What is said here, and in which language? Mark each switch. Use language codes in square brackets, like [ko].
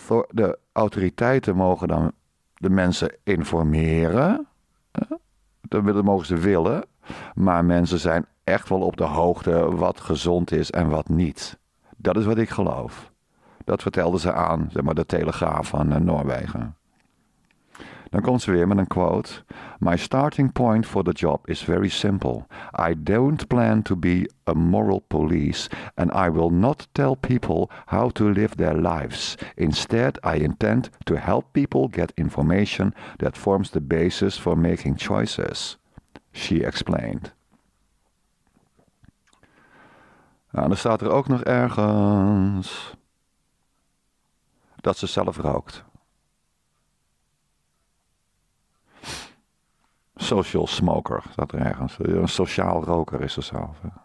[nl] De autoriteiten mogen dan de mensen informeren. Dat mogen ze willen. Maar mensen zijn echt wel op de hoogte wat gezond is en wat niet. Dat is wat ik geloof. Dat vertelde ze aan zeg maar, de Telegraaf van Noorwegen. Dan komt ze weer met een quote. [en] My starting point for the job is very simple. I don't plan to be a moral police and I will not tell people how to live their lives. Instead, I intend to help people get information that forms the basis for making choices. She explained. [nl] Nou, dan staat er ook nog ergens dat ze zelf rookt. [en] Social smoker, [nl] staat er ergens. Een sociaal roker is er zelf.